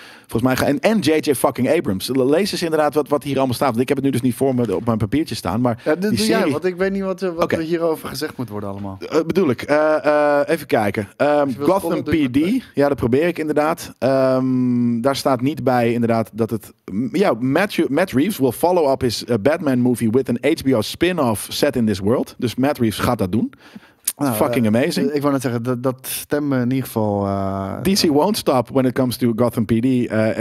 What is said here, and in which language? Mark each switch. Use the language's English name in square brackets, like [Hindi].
[Dutch] Volgens mij en J.J. fucking Abrams. Lees eens inderdaad wat hier allemaal staat. Want ik heb het nu dus niet voor me op mijn papiertje staan. Maar ja, die serie... jij, want ik weet niet wat okay. Er hierover gezegd moet worden allemaal. Bedoel ik. Even kijken. Gotham PD. Ja, dat probeer ik inderdaad. Daar staat niet bij inderdaad dat het... [English] Ja, Matt Reeves will follow up his Batman movie with an HBO spin-off set in this world. [Dutch] Dus Matt Reeves gaat dat doen. [English] Nou, fucking amazing. [Dutch] Ik wou net zeggen, dat stemt me in ieder geval... [English] DC won't stop when it comes to Gotham PD.